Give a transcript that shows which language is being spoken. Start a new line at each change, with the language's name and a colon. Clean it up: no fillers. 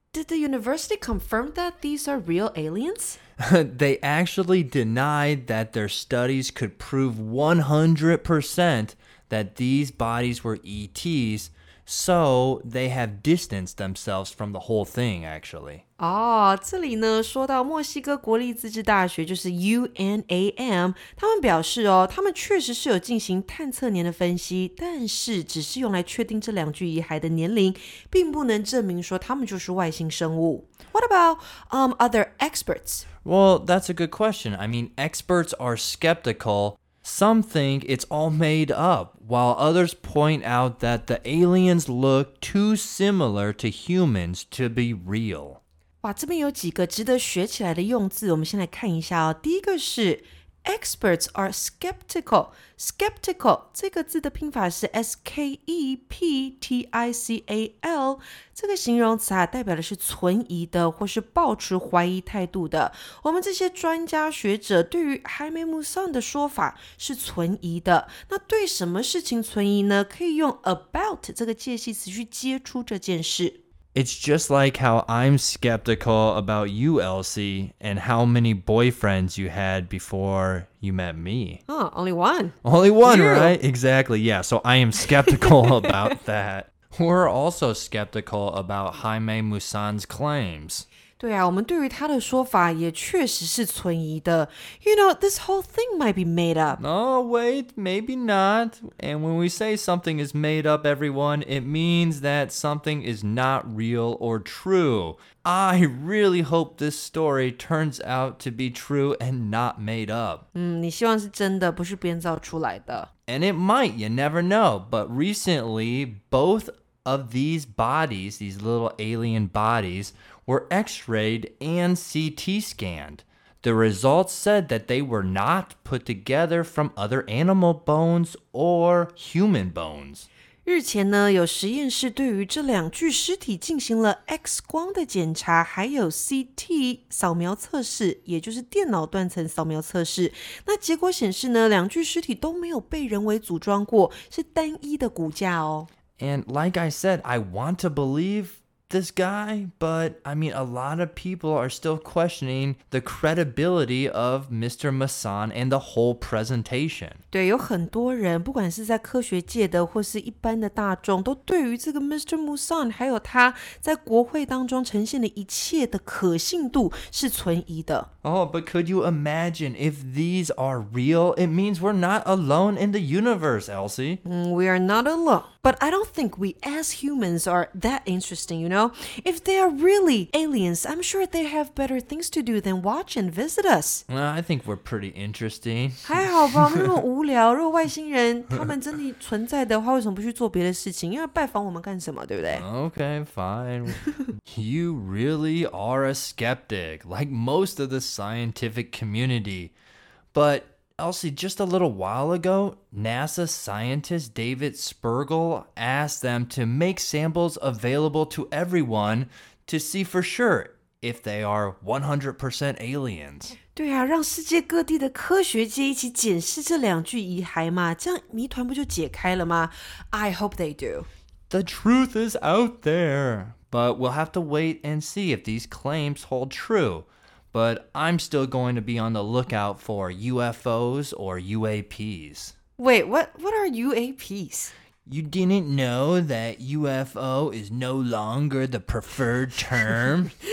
English: Did the university confirm that these are real aliens? They actually denied that their studies could prove 100% that these bodies were ETs,So, they have distanced themselves from the whole thing, actually.
Chinese: 哦，这里呢，说到墨西哥国立自治大学，就是 UNAM, 他们表示哦，他们确实是有进行探测年的分析，但是只是用来确定这两具遗骸的年龄，并不能证明说他们就是外星生物。
English: What about, other experts? Well, that's a good question. I mean, experts are skeptical... Some think it's all made up, while others point out that the aliens look too similar to humans to be real.
Chinese: 哇，这边有几个值得学起来的用字，我们先来看一下哦。第一个是
English: experts are skeptical.
Chinese: Skeptical 这个字的拼法是 S-K-E-P-T-I-C-A-L. 这个形容词啊，代表的是存疑的或是抱持怀疑态度的。我们这些专家学者对于 Jaime Musan 的说法是存疑的。那对什么事情存疑呢？可以用 about 这个介系词去接出这件事。
English: It's just like how I'm skeptical about you, Elsie, and how many boyfriends you had before you met me. Oh, only one. Only one, right? Exactly, yeah. So I am skeptical about that. We're also skeptical about Jaime Musan's claims.
Chinese: 对啊，我们对于他的说法也确实是存疑的。
English: You know, this whole thing might be made up. Oh, wait, maybe not. And when we say something is made up, everyone, it means that something is not real or true. I really hope this story turns out to be true and not made up.
Chinese: 嗯，你希望是真的，不是编造出来的。
English: And it might, you never know. But recently, both of these bodies, these little alien bodies... were x-rayed and CT scanned. The results said that they were not put together from other animal bones or human bones.
Chinese: 日前呢，有实验室对于这两具尸体进行了 X 光的检查，还有 CT 扫描测试，也就是电脑断层扫描测试。那结果显示呢，两具尸体都没有被人为组装过，是单一的骨架哦。
English: And like I said, I want to believe... this guy, but I mean, a lot of people are still questioning the credibility of Mr. Masson and the whole presentation.
Chinese: 对，有很多人，不管是在科学界的或是一般的大众，都对于这个 Mr. Masson 还有他在国会当中呈现的一切的可信度是存疑的。
English: Oh, but could you imagine if these are real? It means we're not alone in the universe, Elsie. We are not alone. But I don't think we as humans are that interesting, you know? If they are really aliens, I'm sure they have better things to do than watch and visit us. Well, I think we're pretty interesting.
Chinese: 还好吧，那么无聊。如果外星人他们真的存在的话，为什么不去做别的事情？因为拜访我们干什么，对不对？
English: Okay, fine. You really are a skeptic, like most of the scientific community. But... Elsie, just a little while ago, NASA scientist David Spergel asked them to make samples available to everyone to see for sure if they are 100% aliens.
Chinese: 对啊，让世界各地的科学界一起检视这两具遗骸嘛，这样谜团不就解开了吗？
English: I hope they do. The truth is out there, but we'll have to wait and see if these claims hold true. But I'm still going to be on the lookout for UFOs or UAPs. Wait, what are UAPs? You didn't know that UFO is no longer the preferred term?